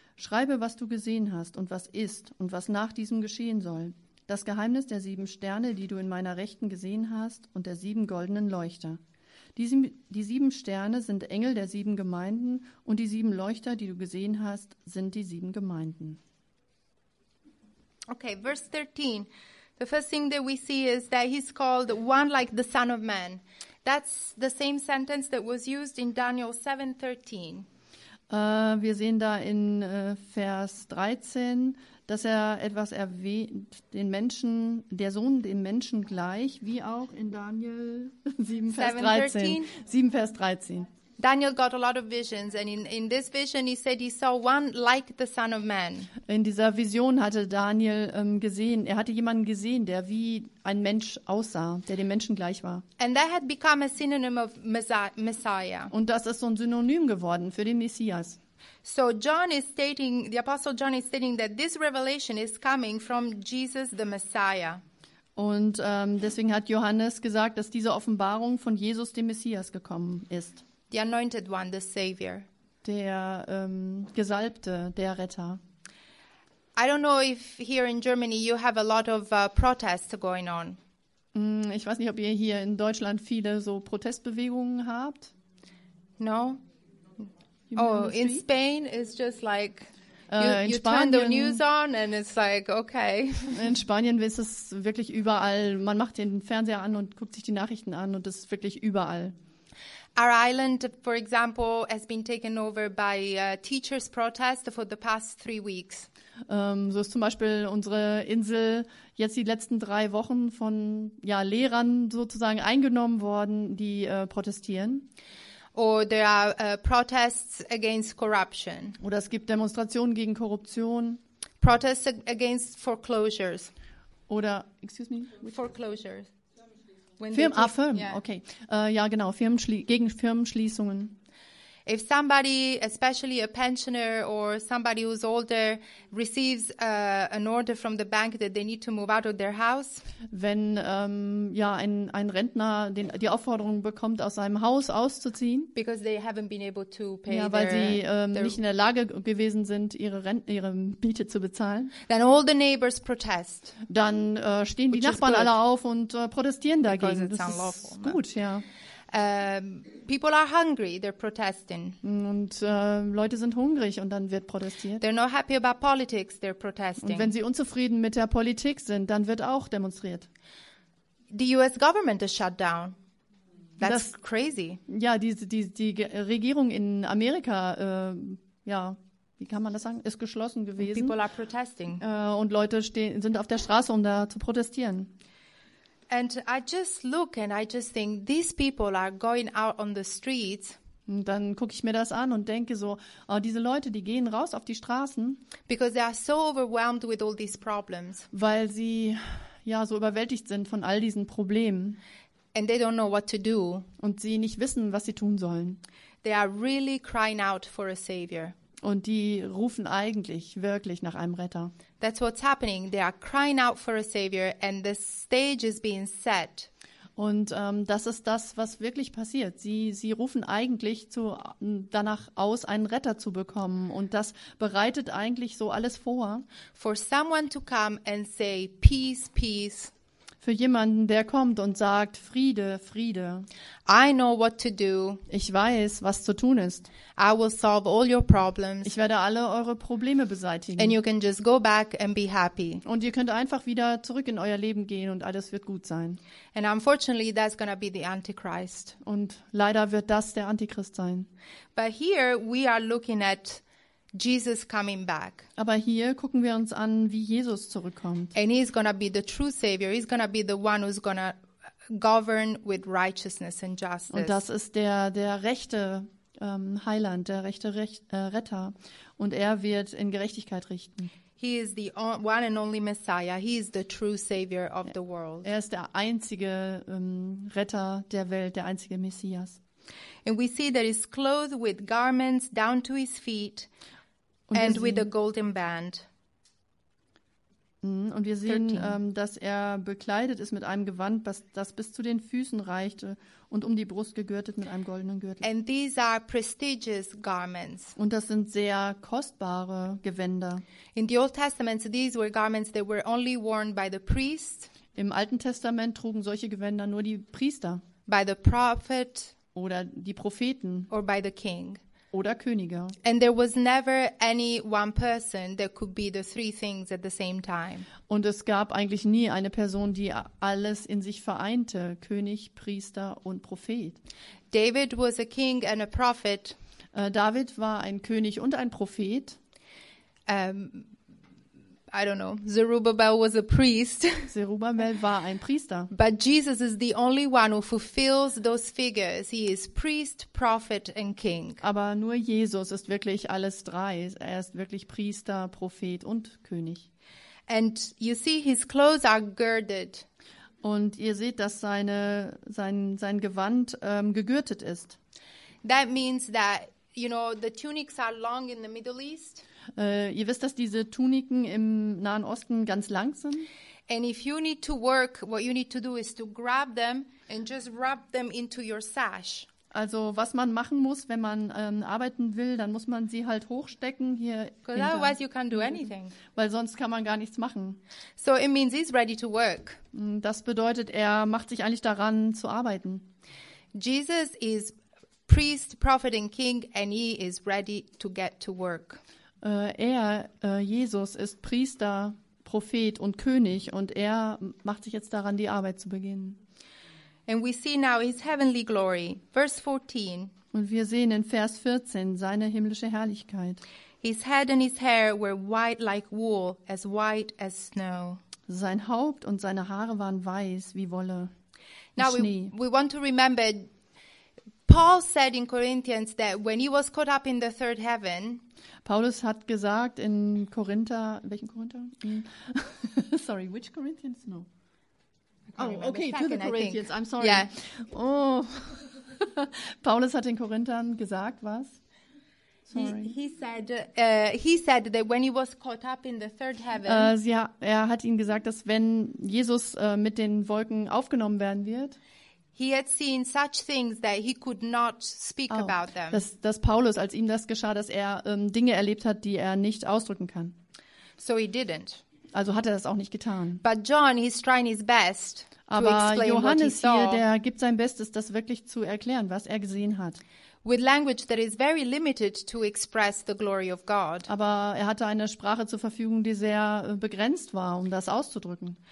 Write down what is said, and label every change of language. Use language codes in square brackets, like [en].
[de] Schreibe, was du gesehen hast und was ist und was nach diesem geschehen soll. Das Geheimnis der sieben Sterne, die du in meiner Rechten gesehen hast, und der sieben goldenen Leuchter. Die sieben Sterne sind Engel der sieben Gemeinden, und die sieben Leuchter, die du gesehen hast, sind die sieben Gemeinden. [en] Okay, verse 13. The first thing that we see is that he's called one like the Son of Man. That's the same sentence that was used in Daniel 7:13. [de] Wir sehen da in Vers 13, dass er etwas erwähnt, den Menschen, der Sohn dem Menschen gleich, wie auch in Daniel 7, Vers 13. [en] Daniel got a lot of visions, and in this vision he said he saw one like the Son of Man. [de] In dieser Vision hatte Daniel gesehen, er hatte jemanden gesehen, der wie ein Mensch aussah, der dem Menschen gleich war. [en] And that had become a synonym of Messiah. [de] Und das ist so ein Synonym geworden für den Messias. [en] So John is stating, the Apostle John is stating that this revelation is coming from Jesus the Messiah. [de] Und deswegen hat Johannes gesagt, dass diese Offenbarung von Jesus dem Messias gekommen ist. [en] The anointed one, the savior. [de] Der Gesalbte, der Retter. [en] I don't know if here in Germany you have a lot of protests going on. [de] Ich weiß nicht, ob ihr hier in Deutschland viele so Protestbewegungen habt. [en] No. Oh, in Spain it's just like you [de] Spanien, [en] turn the news on and it's like okay. [de] In Spanien ist es wirklich überall. Man macht den Fernseher an und guckt sich die Nachrichten an und es ist wirklich überall. [en] Our island, for example, has been taken over by teachers' protest for the past 3 weeks. [de] So ist zum Beispiel unsere Insel jetzt die letzten 3 Wochen von Lehrern sozusagen eingenommen worden, die protestieren. [en] Or there are protests against corruption. [de] Oder es gibt Demonstrationen gegen Korruption. [en] Protests against foreclosures. Oder, excuse me? Foreclosures. [de] Firmen, okay. Ja, genau, gegen Firmenschließungen. [en] If somebody, especially a pensioner or somebody who's older, receives an order from the bank that they need to move out of their house, [de] wenn ein Rentner den die Aufforderung bekommt, aus seinem Haus auszuziehen, [en] because they haven't been able to pay, [de] ja, weil sie nicht in der Lage gewesen sind, ihre Miete zu bezahlen, [en] then all the neighbors protest, [de] dann stehen die Nachbarn alle auf und protestieren dagegen. Das ist gut, ja. [en] People are hungry, they're protesting. [de] Und Leute sind hungrig und dann wird protestiert. [en] They're not happy about politics, they're protesting. [de] Und wenn sie unzufrieden mit der Politik sind, dann wird auch demonstriert. [en] The US government is shut down. That's [de] das, [en] crazy. [de] Ja, die Regierung in Amerika, wie kann man das sagen, ist geschlossen gewesen. [en] And people are protesting. [de] Und Leute sind auf der Straße, um da zu protestieren. [en] And I just look and I just think these people are going out on the streets. [de] Und dann gucke ich mir das an und denke so, diese Leute, die gehen raus auf die Straßen. [en] Because they are so overwhelmed with all these problems. [de] Weil sie ja so überwältigt sind von all diesen Problemen. [en] And they don't know what to do. [de] Und sie nicht wissen, was sie tun sollen. [en] They are really crying out for a savior. [de] Und die rufen eigentlich wirklich nach einem Retter. [en] That's what's happening. They are crying out for a savior and the stage is being set. [de] Und das ist das, was wirklich passiert. Sie rufen eigentlich danach aus, einen Retter zu bekommen. Und das bereitet eigentlich so alles vor. [en] For someone to come and say, peace, peace. [de] Für jemanden, der kommt und sagt, Friede, Friede. [en] I know what to do. [de] Ich weiß, was zu tun ist. [en] I will solve all your problems. [de] Ich werde alle eure Probleme beseitigen. [en] And you can just go back and be happy. [de] Und ihr könnt einfach wieder zurück in euer Leben gehen und alles wird gut sein. [en] And unfortunately, that's gonna be the Antichrist. [de] Und leider wird das der Antichrist sein. [en] But here we are looking at Jesus coming back. [de] Aber hier gucken wir uns an, wie Jesus zurückkommt. [en] And he's gonna be the true savior. He's gonna be the one who's gonna govern with righteousness and justice. [de] Und das ist der rechte Heiland, der rechte Retter. Und er wird in Gerechtigkeit richten. [en] He is the one and only Messiah. He is the true savior of the world. [de] Er ist der einzige Retter der Welt, der einzige Messias. [en] And we see that he's clothed with garments down to his feet and with a golden band. [de] Und wir sehen, dass er bekleidet ist mit einem Gewand, das bis zu den Füßen reichte und um die Brust gegürtet mit einem goldenen Gürtel. [en] And these are prestigious garments. [de] Und das sind sehr kostbare Gewänder. [en] In the Old Testament, these were garments that were only worn by the priests. [de] Im Alten Testament trugen solche Gewänder nur die Priester. [en] By the prophet. [de] Oder die Propheten. [en] Or by the king. [de] Oder Könige. [en] And there was never any one person that could be the three things at the same time. [de] Und es gab eigentlich nie eine Person, die alles in sich vereinte: König, Priester und Prophet. [en] David was a king and a prophet. [de] David war ein König und ein Prophet. [en] I don't know. Zerubbabel was a priest. [de] Zerubbabel war ein Priester. [en] But Jesus is the only one who fulfills those figures. He is priest, prophet and king. [de] Aber nur Jesus ist wirklich alles drei. Er ist wirklich Priester, Prophet und König. [en] And you see his clothes are girded. [de] Und ihr seht, dass sein Gewand gegürtet ist. [en] That means that, you know, the tunics are long in the Middle East. [de] Ihr wisst, dass diese Tuniken im Nahen Osten ganz lang sind. [en] And if you need to work, what you need to do is to grab them and just wrap them into your sash. [de] Also was man machen muss, wenn man arbeiten will, dann muss man sie halt hochstecken hier. [en] Because otherwise you can't do anything. [de] Weil sonst kann man gar nichts machen. [en] So it means he's ready to work. [de] Das bedeutet, er macht sich eigentlich daran zu arbeiten. [en] Jesus is priest, prophet and king and he is ready to get to work. [de] Jesus ist Priester, Prophet und König und er macht sich jetzt daran, die Arbeit zu beginnen. [en] And we see now his heavenly glory, verse 14. [de] Und wir sehen in Vers 14 seine himmlische Herrlichkeit. [en] His head and his hair were white like wool, as white as snow. [de] Sein Haupt und seine Haare waren weiß wie Wolle, wie [en] now [de] Schnee. [en] We want to remember, Paul said in Corinthians that when he was caught up in the third heaven, [de] Paulus hat gesagt in Korinther, in welchen Korinther? [en] Sorry, which Corinthians? No. Oh, okay, to the Corinthians, I'm sorry. Yeah. Oh, [de] Paulus hat den Korinthern gesagt, was? [en] He said that when he was caught up in the third heaven. [de] Er hat ihnen gesagt, dass wenn Jesus mit den Wolken aufgenommen werden wird. [en] He had seen such things that he could not speak about them. [de] Dass Paulus, als ihm das geschah, dass er Dinge erlebt hat, die er nicht ausdrücken kann. [en] So he didn't. [de] Also hat er das auch nicht getan. [en] But John, he's trying his best. [de] Aber [en] to explain [de] Johannes [en] what he [de] hier, [en] saw. [de] Der gibt sein Bestes, das wirklich zu erklären, was er gesehen hat. [en] With language that is very limited to express the glory of God. [de] Aber er hatte eine Sprache zur Verfügung, die sehr begrenzt war, um das auszudrücken.